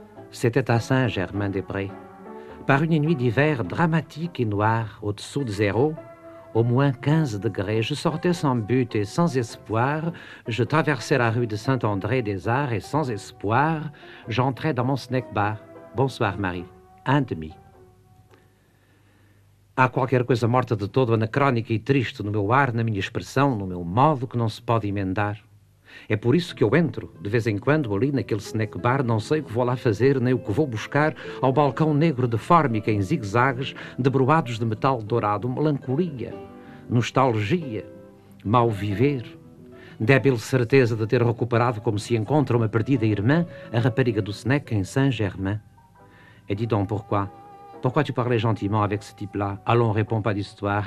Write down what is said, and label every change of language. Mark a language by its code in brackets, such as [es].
[fr] C'était à Saint-Germain-des-Prés. Par une nuit d'hiver dramatique et noire, au-dessous de zéro, au moins 15 degrés, je sortais sans but et sans espoir, je traversais la rue de Saint-André-des-Arts et sans espoir, j'entrais dans mon snack bar. Bonsoir, Marie. Un demi. [pt] Há qualquer coisa morta de todo, anacrónica e triste no meu ar, na minha expressão, no meu modo, que não se pode emendar. É por isso que eu entro, de vez em quando, ali naquele snack bar, não sei o que vou lá fazer, nem o que vou buscar, ao balcão negro de fórmica em zigue-zagues, debruados de metal dourado, melancolia, nostalgia, mau viver, débil certeza de ter recuperado como se encontra uma perdida irmã, a rapariga do snack em Saint-Germain. [fr] Et dis donc pourquoi? Pourquoi tu parles gentiment avec ce type-là? Allons, réponds pas d'histoire.